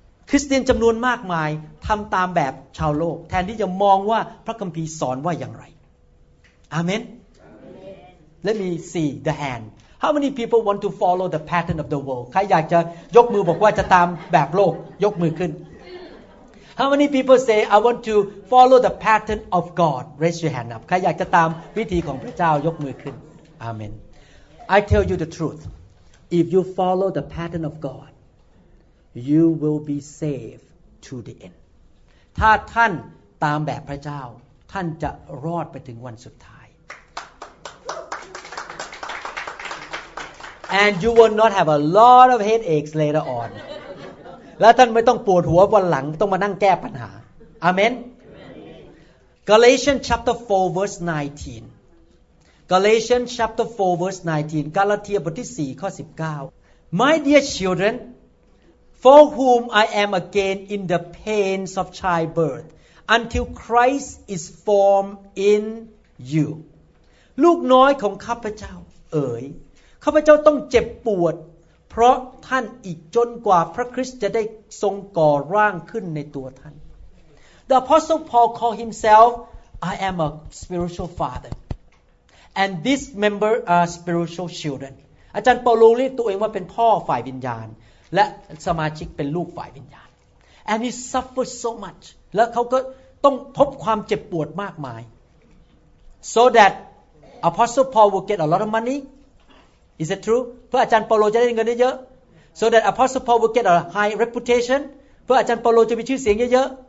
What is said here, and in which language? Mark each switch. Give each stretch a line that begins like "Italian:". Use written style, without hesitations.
Thai: คริสเตียนจำนวนมากมายทำตามแบบชาวโลกแทนที่จะมองว่าพระคัมภีร์สอนว่าอย่างไรอาเมนและมี
English: see the handHow many people want to follow the pattern of the world?
Thai: ใครอยากจะยกมือบอกว่าจะตามแบบโลกยกมือขึ้น
English: How many people say I want to follow the pattern of God? Raise your hand up.
Thai: ใครอยากจะตามวิธีของพระเจ้ายกมือขึ้น
English: Amen. I tell you the truth. If you follow the pattern of God, you will be saved to the end.
Thai: ถ้าท่านตามแบบพระเจ้าท่านจะรอดไปถึงวันสุดท้าย
English: And you will not have a lot of headaches later on.
Thai: และท่านไม่ต้องปวดหัววันหลังต้องมานั่งแก้ปัญหา Amen.
English: Galatians chapter 4 verse 19. Galatians chapter 4 verse 19.
Thai: กาลาเทียบทที่4ข้อ19
English: My dear children, for whom I am again in the pains of childbirth. Until Christ is formed in you.
Thai: ลูกน้อยของข้าพเจ้าเอ๋ยข้าพเจ้าต้องเจ็บปวดเพราะท่านอีกจนกว่าพระคริสต์จะได้ทรงก่อร่างขึ้นในตัวท่าน
English: The Apostle Paul called himself, I am a spiritual father. And this member are spiritual children.
Thai: อาจารย์เปาโลเรียกตัวเองว่าเป็นพ่อฝ่ายวิญญาณและสมาชิกเป็นลูกฝ่ายวิญญาณ
English: And he suffered so much.
Thai: แล้วเขาก็ต้องพบความเจ็บปวดมากมาย
English: so that Apostle Paul will get a lot of money is it true
Thai: เพื่ออาจารย์เปาโลจะได้เงินเยอะ
English: so that Apostle Paul will get a high reputation
Thai: เพื่ออาจารย์เปาโลจะมีชื่อเสียงเยอะ